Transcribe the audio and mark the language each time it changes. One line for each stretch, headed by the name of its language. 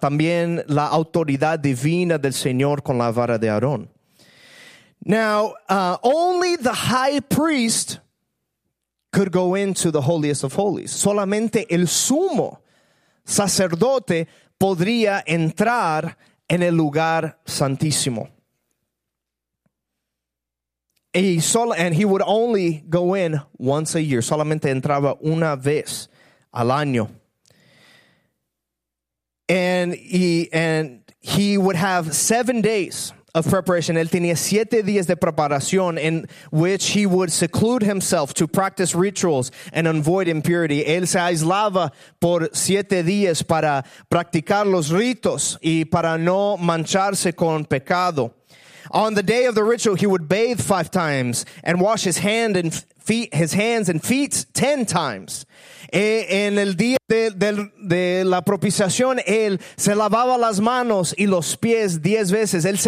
Spanish: También la autoridad divina del Señor con la vara de Aarón.
English: Now, only the high priest could go into the holiest of holies.
Spanish: Solamente el sumo sacerdote podría entrar en el lugar santísimo.
English: And he would only go in once a year.
Spanish: Solamente entraba una vez al año.
English: And he would have 7 days of preparation.
Spanish: Él tenía 7 días de preparación
English: in which he would seclude himself to practice rituals and avoid impurity.
Spanish: Él se aislaba por 7 días para practicar los ritos y para no mancharse con pecado.
English: On the day of the ritual, he would bathe 5 times and wash his hands and feet 10 times.
Spanish: En el día de la propiciación, él se lavaba las manos y los pies 10 veces.